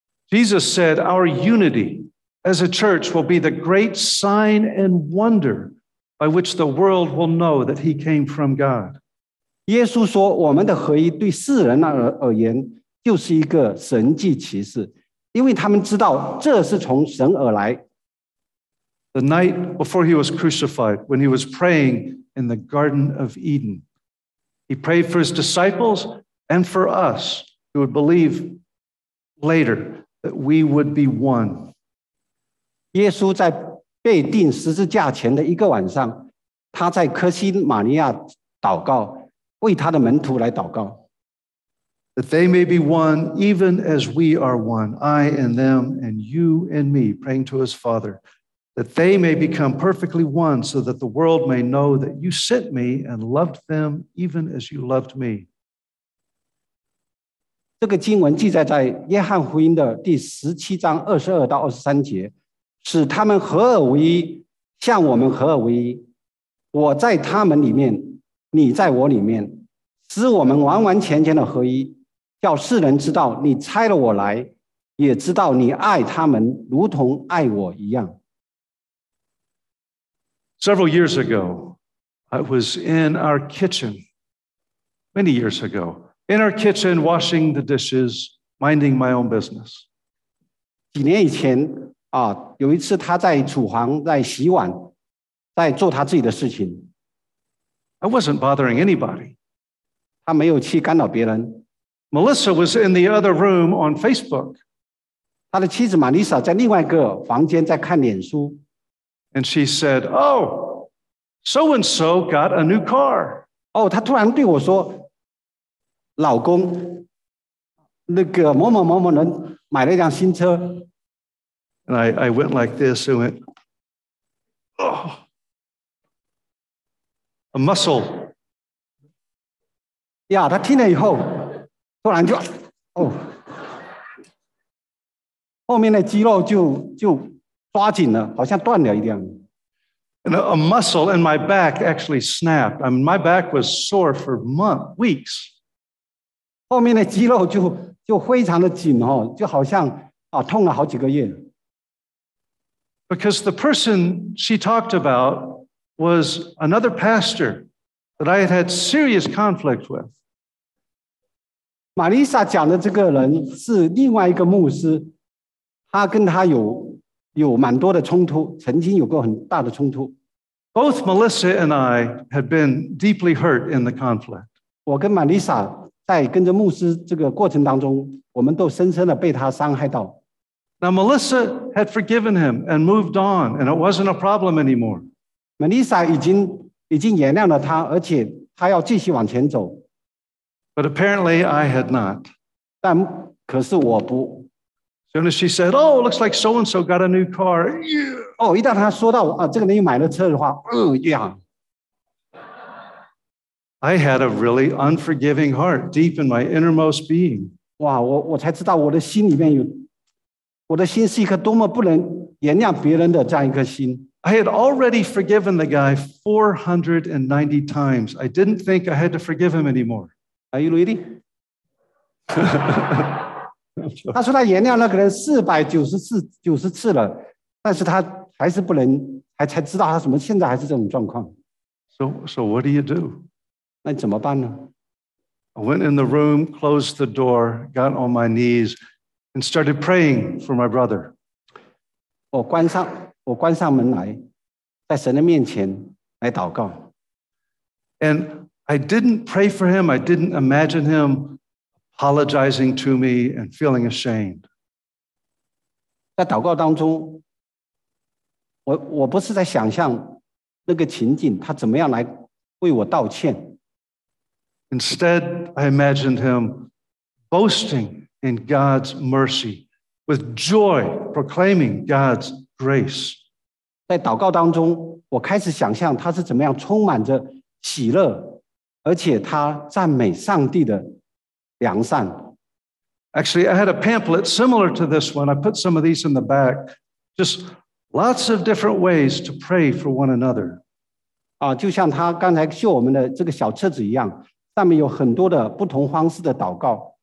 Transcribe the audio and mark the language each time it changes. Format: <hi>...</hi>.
<en>Jesus said, "Our unity as a church will be the great sign and wonder by which the world will know that He came from God."</en> <zh>耶稣说我们的合一对世人而言就是一个神迹奇事，因为他们知道这是从神而来。</zh> <en>The night before he was crucified, when he was praying in the Garden of Eden, he prayed for his disciples and for us who would believe later that we would be one.</en> <zh>耶稣在被钉十字架前的一个晚上，他在科西玛尼亚祷告，为他的门徒来祷告。</zh> <en>That they may be one, even as we are one, I and them, and you and me, praying to his Father, that they may become perfectly one, so that the world may know that you sent me and loved them, even as you loved me.</en> <zh>这个经文记载在约翰福音的第十七章二十二到二十三节，使他们合而为一，像我们合而为一，我在他们里面。你在我里面，使我们完完全全的合一，叫世人知道你差了我来，也知道你爱他们如同爱我一样。</zh> <en>Several years ago, I was in our kitchen. Many years ago, in our kitchen, washing the dishes, minding my own business.</en> <zh>几年以前啊，有一次他在厨房在洗碗，在做他自己的事情。</zh> <en>I wasn't bothering anybody.</en> <zh>他没有去干扰别人。</zh> <en>Melissa was in the other room on Facebook.</en> <zh>他的妻子玛丽莎在另外一个房间在看脸书。</zh> <en>And she said, "Oh, so-and-so got a new car."</en> <zh>哦，他突然对我说，老公，那个某某某某人买了一辆新车。</zh> <en>And I went like this and went, "Oh." A muscle.</en> <zh>Yeah, 他听了以后，突然就，哦，后面的肌肉就抓紧了，好像断了一样。</zh> <en>And a muscle in my back actually snapped. I mean, my back was sore for weeks.</en> <zh>后面的肌肉就非常的紧哦，就好像啊痛了好几个月。</zh> <en>Because the person she talked about. Was another pastor that I had had serious conflict with.</en> <zh>Marisa 讲的这个人是另外一个牧师，他跟他有蛮多的冲突，曾经有过很大的冲突。</zh> <en>Both Melissa and I had been deeply hurt in the conflict.</en> <zh>我跟 Marisa 在跟着牧师这个过程当中，我们都深深的被他伤害到。</zh> <en>Now Melissa had forgiven him and moved on, and it wasn't a problem anymore.</en> <zh>Melissa 已经原谅了他，而且他要继续往前走。</zh> <en>But apparently I had not.</en> <zh>但可是我不。</zh> <en>Soon as she said, "Oh, looks like so and so got a new car."</en> <zh>哦，一旦他说到啊，这个人又买了车的话，</zh> <en>I had a really unforgiving heart deep in my innermost being.</en> <zh>哇，我才知道我的心里面有我的心是一颗多么不能原谅别人的这样一颗心。</zh> <en>I had already forgiven the guy 490 times. I didn't think I had to forgive him anymore. Are you reading?</en> <zh>他说他原谅那个人490次了，但是他还是不能，还知道他什么，现在还是这种状况。</zh> <en>So what do you do?</en> <zh>那怎么办呢？</zh> <en>I went in the room, closed the door, got on my knees, and started praying for my brother.</en> <zh>我关上门来，在神的面前来祷告。</zh> <en>And I didn't pray for him. I didn't imagine him apologizing to me and feeling ashamed.</en> <zh>在祷告当中，我不是在想象那个情景，他怎么样来为我道歉。</zh> <en>Instead, I imagined him boasting in God's mercy, with joy proclaiming God's grace.</en> <zh>在祷告当中，我开始想象他是怎么样充满着喜乐，而且他赞美上帝的良善。</zh> <en>Actually, I had a pamphlet similar to this one. I put some of these in the back. Just lots of different ways to pray for one another.</en> <zh>就像他刚才秀我们的这个小册子一样，上面有很多的不同方式的祷告。</zh>